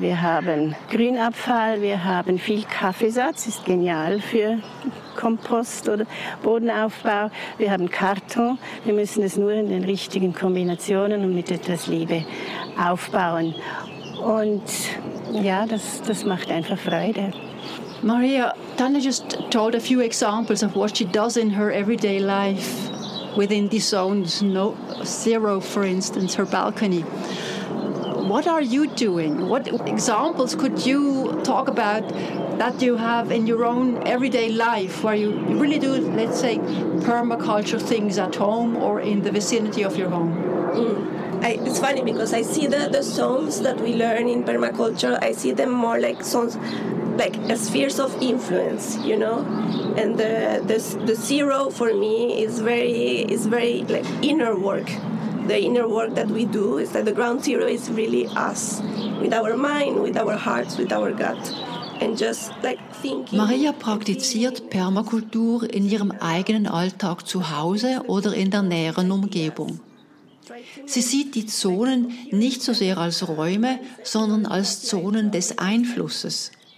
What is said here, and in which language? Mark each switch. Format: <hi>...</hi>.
<de>Wir haben Grünabfall, wir haben viel Kaffeesatz, ist genial für Kompost oder Bodenaufbau. Wir haben Karton, wir müssen es nur in den richtigen Kombinationen und mit etwas Liebe aufbauen. Und ja, das macht einfach Freude.</de> <en>Maria, Tanja just told a few examples of what she does in her everyday life. Within these zones, no zero, for instance, her balcony. What are you doing? What examples could you talk about that you have in your own everyday life where you really do, let's say, permaculture things at home or in the vicinity of your home? It's funny because I see the zones that we learn in permaculture, I see them more like zones, like a spheres of influence, you know? And the zero for me is very like inner work. The inner work that we do is that the ground zero is really us, with our mind, with our hearts, with our gut. And just like thinking.</en> <de>Maria praktiziert Permakultur in ihrem eigenen Alltag zu Hause oder in der näheren Umgebung. Sie sieht die Zonen nicht so sehr als Räume, sondern als Zonen des Einflusses.</de>